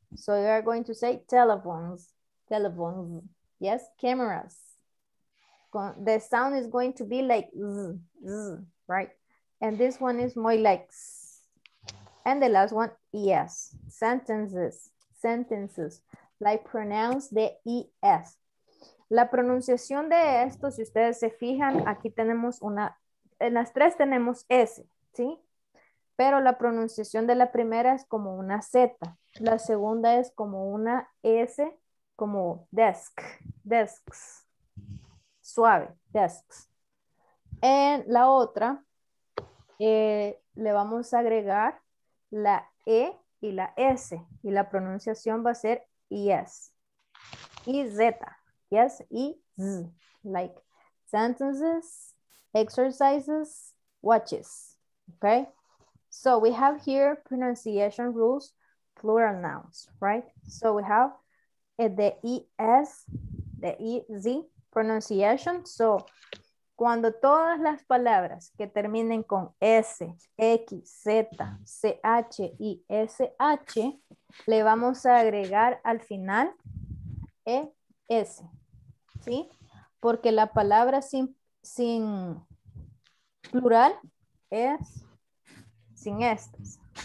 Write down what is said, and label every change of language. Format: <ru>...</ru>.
<en>So you are going to say telephones, telephones. Yes? Cameras. The sound is going to be like Z, Z, right? And this one is more like S. And the last one, ES, sentences. Sentences, like pronounce the ES,</en> <es>La pronunciación de esto, si ustedes se fijan, aquí tenemos una, en las tres tenemos S, ¿sí? Pero la pronunciación de la primera es como una Z. La segunda es como una S, como desk, desks, suave, desks. En la otra, le vamos a agregar la E y la S, y la pronunciación va a ser yes, y Z, yes, y Z,</es> <en>like sentences, exercises, watches,</en> <es>okay?</es> <en>So we have here pronunciation rules, plural nouns, right? So we have the ES, the EZ pronunciation.</en> <es>So cuando todas las palabras que terminen con S, X, Z, CH y SH, le vamos a agregar al final ES, ¿sí? Porque la palabra sin plural es sin estas.</es>